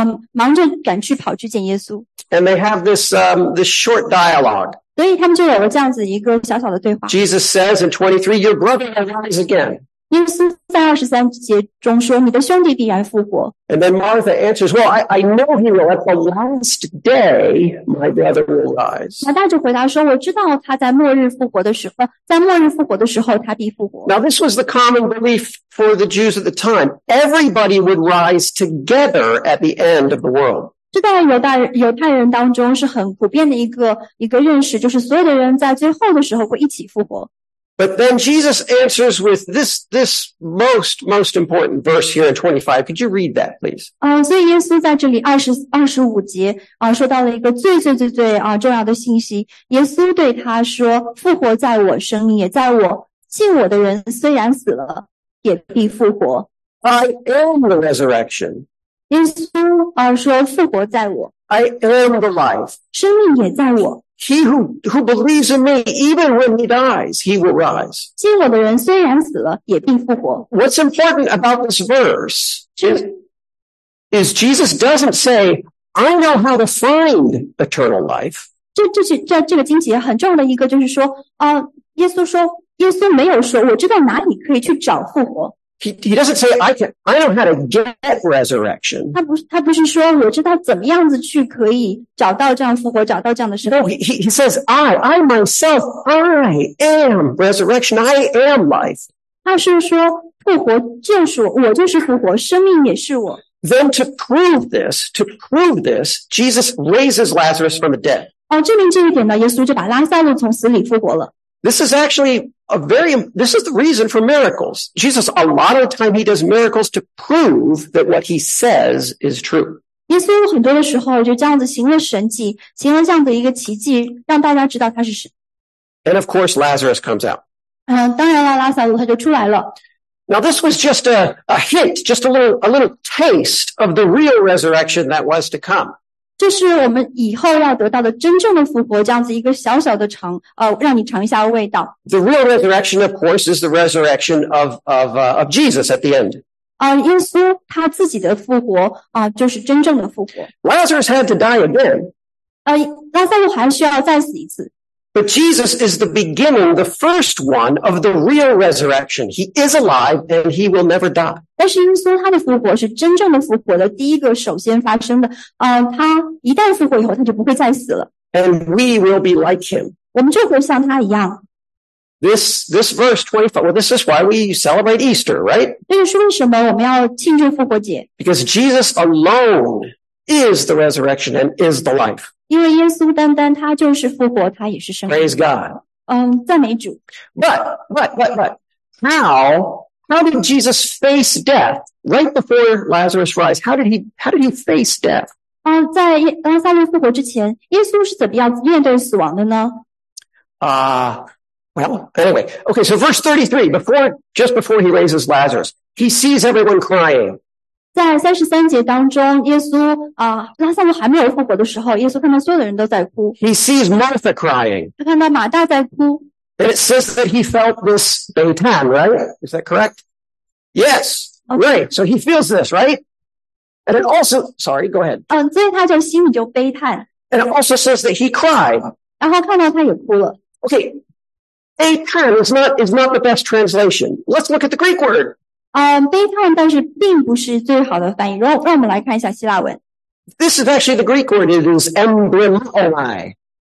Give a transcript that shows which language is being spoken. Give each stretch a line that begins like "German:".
Chinese: 当耶稣来到那里的时候，马大忙着赶去跑去见耶稣。
English: And they have this short dialogue.
Chinese: 所以他们就有了这样子一个小小的对话。
English: Jesus says in 23, your brother arises again.
Chinese: 耶稣在23节中说，你的兄弟必然复活。
English: And then Martha answers, well, I know he will, at the last day, my brother will rise.
Chinese: 马大就回答说，我知道他在末日复活的时候，他必复活。
English: Now this was the common belief for the Jews at the time. Everybody would rise together at the end of the world.
Chinese: 这在犹太人当中是很普遍的一个认识，就是所有的人在最后的时候会一起复活。
English: But then Jesus answers with this most important verse here in 25. Could you read that, please?
Chinese: 所以耶稣在这里25节说到了一个最重要的信息。耶稣对他说，复活在我，生命也在我，信我的人虽然死了也必复活。
English: I am the resurrection.
Chinese: 耶稣说复活在我。
English: I am the life.
Chinese: 生命也在我。
English: He who believes in me, even when he dies, he will rise.
Chinese: 信我的人虽然死了也必复活。
English: What's important about this verse is Jesus doesn't say, I know how to find eternal life.
Chinese: 这个经节很重要的一个就是说耶稣没有说我知道哪里可以去找复活。
English: He doesn't say, I know how to get resurrection.
Chinese: 他不是说我知道怎么样子去可以找到这样复活找到这样的生命。
English: No, he says, I am resurrection, I am life.
Chinese: 他是说复活就是我就是复活生命也是我。
English: Then to prove this, Jesus raises Lazarus from the dead.
Chinese: 证明这一点呢耶稣就把拉撒路从死里复活了。
English: This is actually this is the reason for miracles. Jesus, a lot of the time, he does miracles to prove that what he says is true.
Chinese: 耶稣很多的时候就这样子行了神迹，行了这样的一个奇迹，让大家知道他是神。
English: And of course, Lazarus comes out.
Chinese: 当然了，拉撒路他就出来了。
English: Now this was just a hint, just a little taste of the real resurrection that was to come.
Chinese: 这是我们以后要得到的真正的复活这样子一个小小的尝让你尝一下味道。
English: The real resurrection, of course, is the resurrection of Jesus at the end.
Chinese: 耶稣他自己的复活就是真正的复活。
English: Lazarus had to die again.
Chinese: 拉撒路还需要再死一次。
English: But Jesus is the beginning, the first one of the real resurrection. He is alive and he will never die.
Chinese: 但是耶稣他的复活是真正的复活的第一个首先发生的。他一旦复活以后他就不会再死了。
English: And we will be like him.
Chinese: 我们就会像他一样。
English: This verse 25, well, this is why we celebrate Easter, right?
Chinese: 这是为什么我们要庆祝复活节。
English: Because Jesus alone is the resurrection and is the life.
Chinese: 因为耶稣单单他就是复活，他也是生命。
English: Praise God.
Chinese: 赞美主。
English: But, how did Jesus face death right before Lazarus rise? How did he face death?
Chinese: 在拉撒路复活之前，耶稣是怎么样面对死亡的呢？
English: So verse 33, just before he raises Lazarus, he sees everyone crying.
Chinese: 在33节当中耶稣拉撒路还没有复活的时候耶稣看到所有的人都在哭。
English: He sees Martha crying.
Chinese: 他看到马大在哭。
English: And it says that he felt this baton, right? Is that correct? Yes. Okay. Right. So he feels this, right? And it also, sorry, go ahead.
Chinese: 所以他就心里就悲叹。
English: And it also says that he cried.
Chinese: 然后看到他也哭了。
English: Okay. Baton is not the best translation. Let's look at the Greek word.
Chinese: 悲叹但是并不是最好的翻译。让我们来看一下希腊文。
English: This is actually the Greek word, it is emblemai.